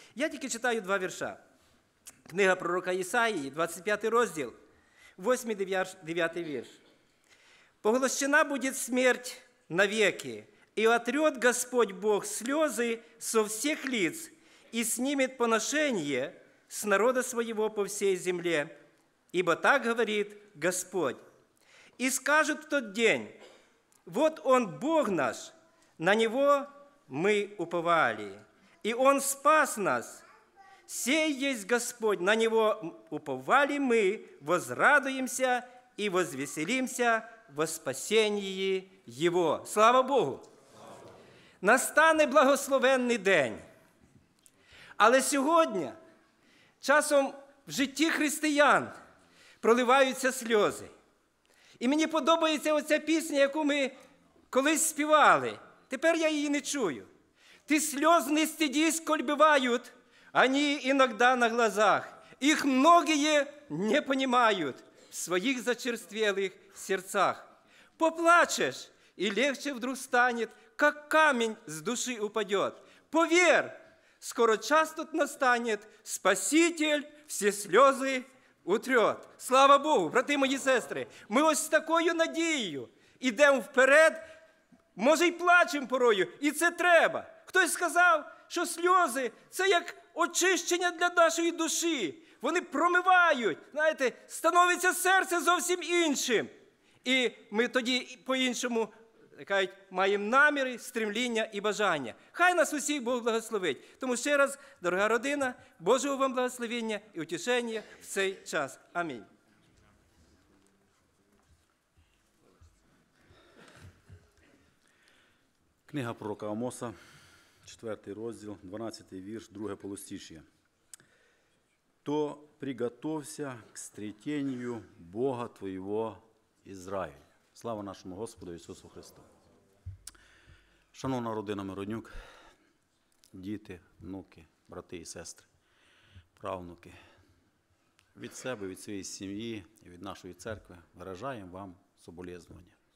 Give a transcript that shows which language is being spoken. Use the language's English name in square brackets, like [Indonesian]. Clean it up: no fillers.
[Ukrainian] Я тільки читаю два вірша. Книга пророка Ісаїї, 25 розділ, 8-9 вірш. [Russian] «Поглощена буде смерть навеки, і отрет Господь Бог сльози со всіх лиц, і снімет поношення с народа своего по всей земле, ибо так говорит Господь. И скажут в тот день, вот Он, Бог наш, на Него мы уповали, и Он спас нас. Сей есть Господь, на Него уповали мы, возрадуемся и возвеселимся во спасении Его». [Ukrainian] Слава Богу! Настане благословенний день. Але сьогодні часом в житті християн проливаються сльози. І мені подобається оця пісня, яку ми колись співали. Тепер я її не чую. [Russian] «Ти сльоз не стидись, коль бывают, они иногда на глазах. Их многие не понимают в своих зачерствелых сердцах. Поплачешь, и легче вдруг станет, как камень с души упадет. Поверь, скоро час тут настанет, Спаситель все слезы утрет». [Ukrainian] Слава Богу, брати мої сестри, ми ось з такою надією йдемо вперед, Може, й плачемо порою, і це треба. Хтось сказав, що сльози – це як очищення для нашої душі. Вони промивають, знаєте, становиться серце зовсім іншим. І ми тоді по-іншому, кажуть, маємо наміри, стремління і бажання. Хай нас усіх Бог благословить. Тому ще раз, дорога родина, Божого вам благословення і утішення в цей час. Амінь. Книга пророка Амоса, 4 розділ, 12 вірш, 2 полустишье. [Russian] То приготовься к встретению Бога твоего Израиля. [Ukrainian] Слава нашему Господу Ісусу Христу. Шановна родина Миронюк, діти, внуки, брати і сестри, правнуки, від себе, від своєї сім'ї, від нашої церкви виражаємо вам соболезнування.